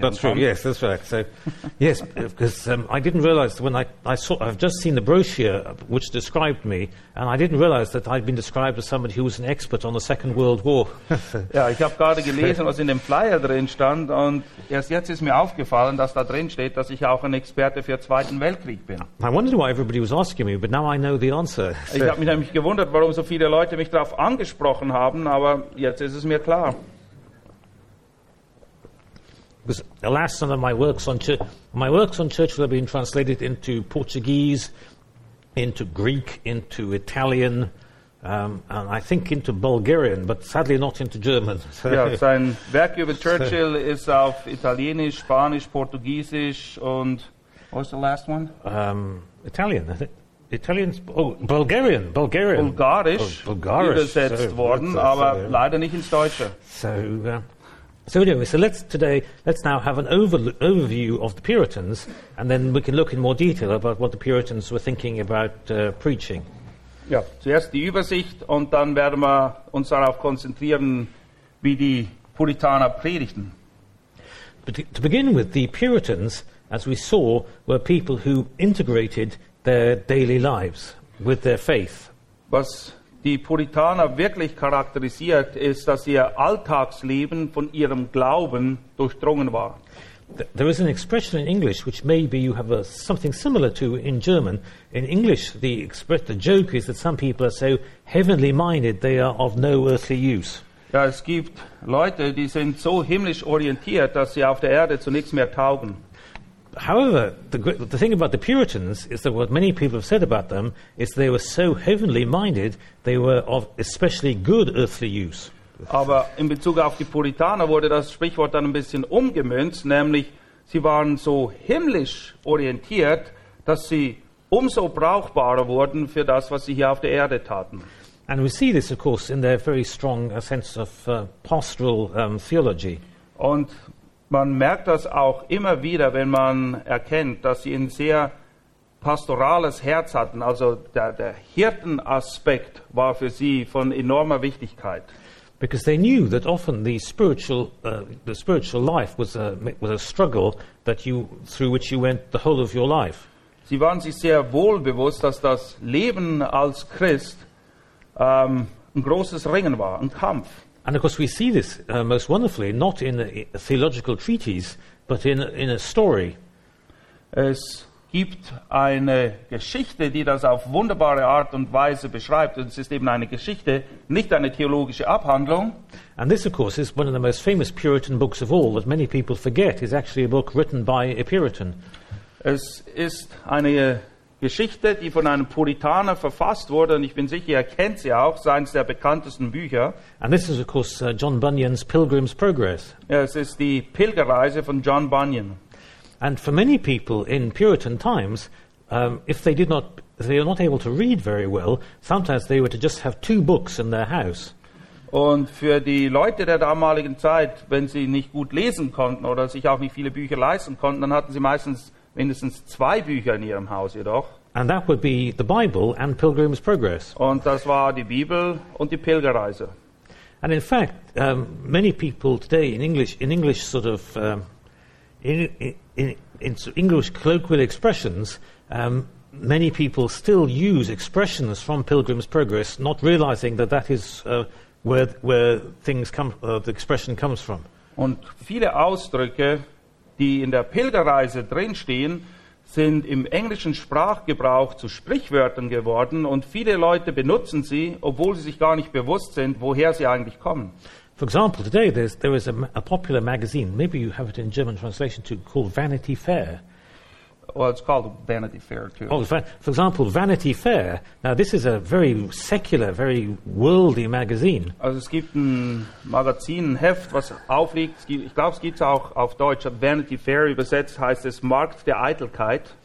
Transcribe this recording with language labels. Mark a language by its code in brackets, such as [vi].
[de] könnt. [en] That's true, yes, that's right. So, yes, because I didn't realize when I've just seen the brochure which described me, and I didn't realize that I'd been described as somebody who was an expert on the Second World War. [de] Ja, ich habe gerade gelesen, was in dem Flyer drin stand, und erst jetzt ist mir aufgefallen, dass da drin steht, dass ich auch ein Experte für Zweiten Weltkrieg bin. [en] I wondered why everybody was asking me, but now I know the answer. [de] Ich habe mich nämlich gewundert, warum so viele Leute mich darauf angesprochen haben, aber jetzt ist es mir klar. [en] Because alas, some of my works on Churchill have been translated into Portuguese, into Greek, into Italian, and I think into Bulgarian, but sadly not into German. [de] Ja, sein Werk über Churchill ist auf Italienisch, Spanisch, Portugiesisch und [en] what was the last one? Italian, Bulgarian. [de] Bulgarisch übersetzt worden, aber leider nicht ins Deutsche. [en] So, So anyway, so let's now have an overview of the Puritans, and then we can look in more detail about what the Puritans were thinking about preaching. [de] Ja, zuerst die Übersicht und dann werden wir uns darauf konzentrieren, wie die Puritaner predigten. [en] But to begin with, the Puritans, as we saw, were people who integrated their daily lives with their faith. [de] Was die Puritaner wirklich charakterisiert, ist, dass ihr Alltagsleben von ihrem Glauben durchdrungen war. [en] There is an expression in English which maybe you have something similar to in German. In English, the joke is that some people are so heavenly minded they are of no earthly use. [de] Ja, es gibt Leute, die sind so himmlisch orientiert, dass sie auf der Erde zu nichts mehr taugen. [en] However, the thing about the Puritans is that what many people have said about them is they were so heavenly minded they were of especially good earthly use. [de] Aber in Bezug auf die Puritaner wurde das Sprichwort dann ein bisschen umgemünzt, nämlich sie waren so himmlisch orientiert, dass sie umso brauchbarer wurden für das, was sie hier auf der Erde taten. [en] And we see this, of course, in their very strong sense of pastoral theology. [de] Und man merkt das auch immer wieder, wenn man erkennt, dass sie ein sehr pastorales Herz hatten. Also der Hirtenaspekt war für sie von enormer Wichtigkeit. [en] Because they knew that often the spiritual life was a struggle that you through which you went the whole of your life. [de] Sie waren sich sehr wohl bewusst, dass das Leben als Christ ein großes Ringen war, ein Kampf. [en] And of course we see this most wonderfully not in a theological treatise, but in a story. [de] Es gibt eine Geschichte, die das auf wunderbare Art und Weise beschreibt. Und es ist eben eine Geschichte, nicht eine theologische Abhandlung. [en] And this, of course, is one of the most famous Puritan books of all, that many people forget, is actually a book written by a Puritan. [de] Es ist eine Geschichte, die von einem Puritaner verfasst wurde, und ich bin sicher, ihr kennt sie auch, seines der bekanntesten Bücher. [en] And this is, of course, John Bunyan's Pilgrim's Progress. [de] Ja, es ist die Pilgerreise von John Bunyan. [en] And for many people in Puritan times, if they were not able to read very well, sometimes they were to just have two books in their house. [de] Und für die Leute der damaligen Zeit, wenn sie nicht gut lesen konnten oder sich auch nicht viele Bücher leisten konnten, dann hatten sie meistens mindestens zwei Bücher in ihrem Haus jedoch. [en] And that would be the Bible and Pilgrim's Progress. [de] Und das war die Bibel und die Pilgerreise. [en] And in fact, many people today in English colloquial expressions, many people still use expressions from Pilgrim's Progress, not realizing that is where things come. The expression comes from. [de] Und viele Ausdrücke, die in der Pilgerreise drinstehen, sind im englischen Sprachgebrauch zu Sprichwörtern geworden, und viele Leute benutzen sie, obwohl sie sich gar nicht bewusst sind, woher sie eigentlich kommen. [en] For example, today there is a popular magazine, maybe you have it in German translation too, called Vanity Fair. Well, it's called Vanity Fair too. Oh, for example, Vanity Fair. Now, this is a very secular, very worldly magazine. [de] Also, es gibt ein Magazin, ein Heft, was aufliegt. Ich glaube, es gibt es auch auf Deutsch. Vanity Fair, übersetzt heißt es Markt der Eitelkeit.